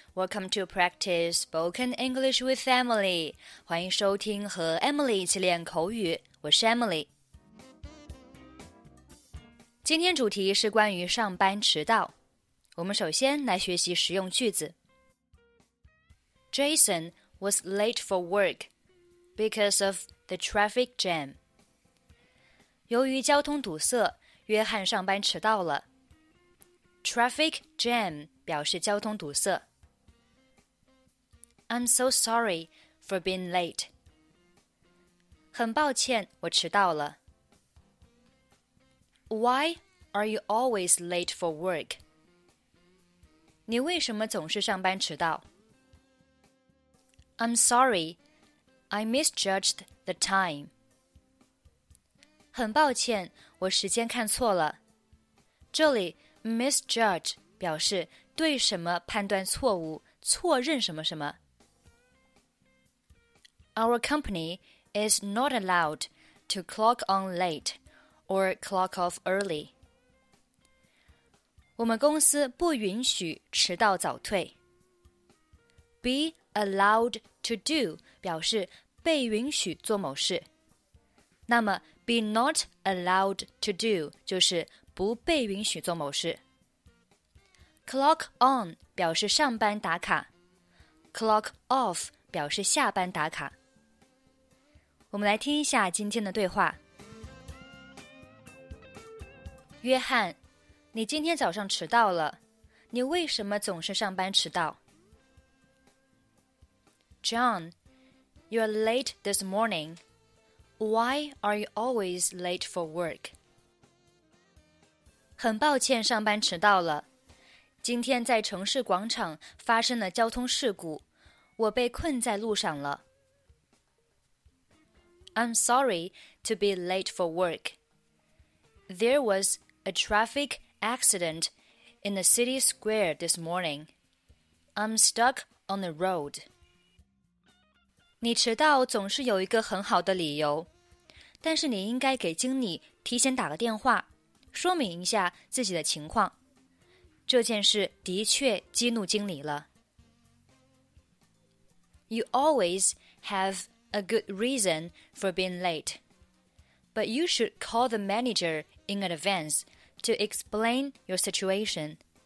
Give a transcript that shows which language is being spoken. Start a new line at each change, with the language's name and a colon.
English: Welcome to Practice Spoken English with Emily.
Chinese: 欢迎收听和 Emily 一起练口语。我是 Emily。今天主题是关于上班迟到。我们首先来学习实用句子。
English: Jason was late for work because of the traffic jam.
Chinese: 由于交通堵塞，约翰上班迟到了。
English: Traffic jam.
Chinese: 表示交通堵塞。
English: I'm so sorry for being late.
Chinese: 很抱歉，我迟到了。
English: Why are you always late for work?
Chinese: 你为什么总是上班迟到？
English: I'm sorry, I misjudged the time.
Chinese: 很抱歉，我时间看错了。这里 misjudge 表示对什么判断错误，错认什么什么。
English: Our company is not allowed to clock on late or clock off early.
Chinese: 我们公司不允许迟到早退。
English: Be allowed to do
Chinese: 表示被允许做某事。那么
English: be not allowed to do
Chinese: 就是不被允许做某事。
English: Clock on
Chinese: 表示上班打卡 ，
English: clock off
Chinese: 表示下班打卡。我们来听一下今天的对话。约翰，你今天早上迟到了，你为什么总是上班迟到
English: ？John, you're late this morning. Why are you always late for work?
Chinese: 很抱歉，上班迟到了。今天在城市广场发生了交通事故，我被困在路上了。
English: I'm sorry to be late for work. There was a traffic accident in the city square this morning. I'm stuck on the road.
Chinese: 你迟到总是有一个很好的理由，但是你应该给经理提前打个电话，说明一下自己的情况。这件事的确激怒经理了。
English: You always have a good reason for being late, but you should call the manager in advance to explain your situation.